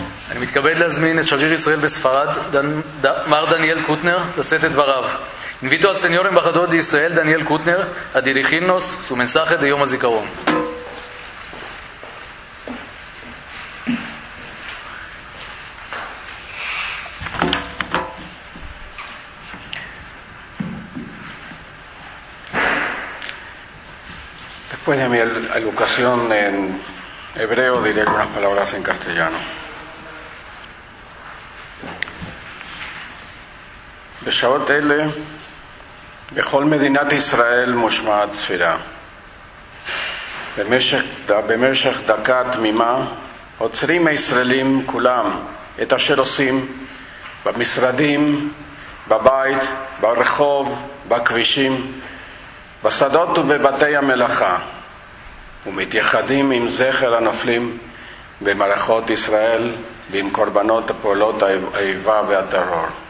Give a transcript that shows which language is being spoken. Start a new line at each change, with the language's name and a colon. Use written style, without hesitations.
Hebrew: אני מתכבד להזמין את שגריר ישראל בספרד, מר דניאל קוטנר, לשאת את דבריו.
Spanish: Invito al señor embajador de Israel, Daniel Kutner, a dirigirnos su mensaje de Yom HaZikaron. Después de mi alocución en hebreo, diré algunas palabras en castellano.
Hebrew: בשעות אלה בכל מדינת ישראל מושמעת ספירה. במשך דקה תמימה עוצרים הישראלים כולם את אשר עושים במשרדים, בבית, ברחוב, בכבישים, בשדות ובבתי המלאכה, ומתייחדים עם זכר הנופלים במערכות ישראל ועם קורבנות הפעולות האיבה והטרור.